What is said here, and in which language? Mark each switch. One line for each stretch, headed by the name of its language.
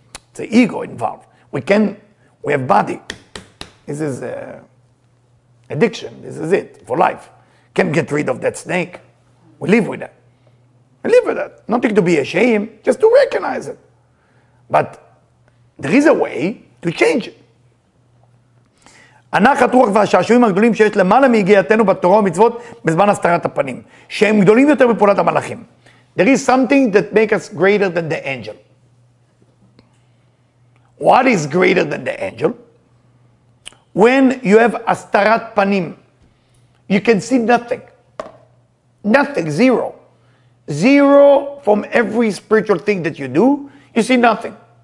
English: It's an ego involved. We have body. This is addiction. This is it for life. Can't get rid of that snake. We live with that. We live with that. Nothing to be ashamed, just to recognize it. But there is a way to change it.
Hebrew: הנחת רוח והשעשועים הגדולים שיש למעלה מהגיעתנו בתורה ומצוות בזמן הסתרת הפנים, שהם גדולים יותר בפעולת המלאכים.
English: There is something that makes us greater than the angel. What is greater than the angel? When you have הסתרת פנים, you can see nothing. Nothing, zero. Zero from every spiritual thing that you do, you see nothing.